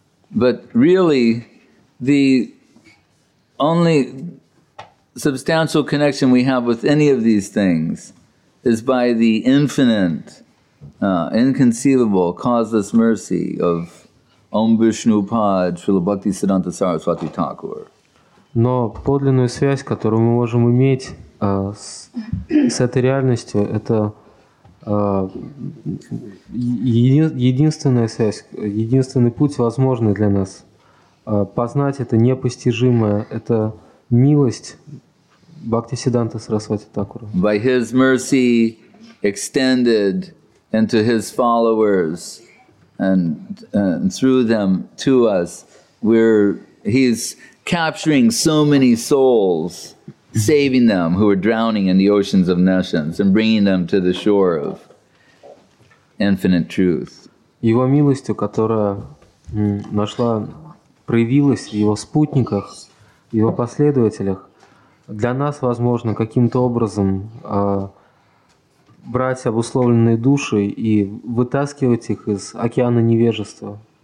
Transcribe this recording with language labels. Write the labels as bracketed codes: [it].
[en] But really, the only substantial connection we have with any of these things is by the infinite, inconceivable, causeless mercy of Om Vishnu Pad Srila Bhakti Siddhanta Saraswati Thakur. [ru] Но подлинную связь, которую мы можем иметь с этой реальностью, это единственная связь, единственный путь возможный для нас. Познать это непостижимое, это милость Бхакти Сиддханты Сарасвати Такура. [en] By His mercy extended into His followers and through them to us, He's capturing so many souls, saving them who are drowning in the oceans of nations and bringing them to the shore of infinite truth. [ru] Его милостью, которая нашла, проявилась в его спутниках, его последователях, для нас возможно каким-то образом брать обусловленные души и вытаскивать их из океана невежества.